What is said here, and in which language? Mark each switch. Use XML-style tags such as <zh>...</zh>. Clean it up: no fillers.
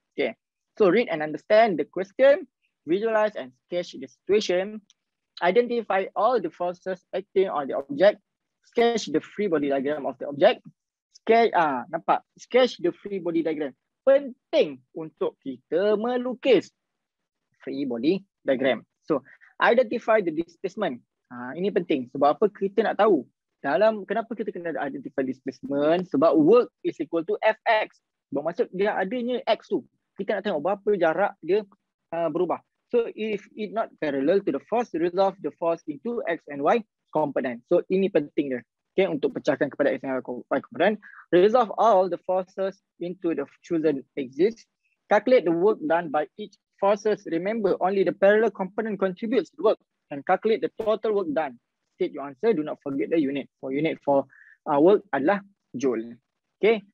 <en>Okay, so read and understand the question, visualize and sketch the situation, identify all the forces acting on the object, sketch the free body diagram of the object, sketch the free body diagram.</en> <ms>Penting untuk kita melukis free body diagram.</ms> <en>So identify the displacement.</en> <ms>Ini penting. Sebab apa kita nak tahu? Dalam kenapa kita kena</ms> <en>identify displacement?</en> <ms>Sebab</ms> <en>work is equal to fx.</en> <ms>Bermaksud dia adanya x tu. Kita nak tengok berapa jarak dia berubah.</ms> <en>So if it not parallel to the force, resolve the force into x and y component.</en> <ms>So ini penting dia. Okay, untuk pecahkan kepada</ms> <en>x and y component. Resolve all the forces into the chosen axis. Calculate the work done by each forces. Remember, only the parallel component contributes to work. And calculate the total work done. State your answer. Do not forget the unit. For unit for work adalah joule. Okay.</en>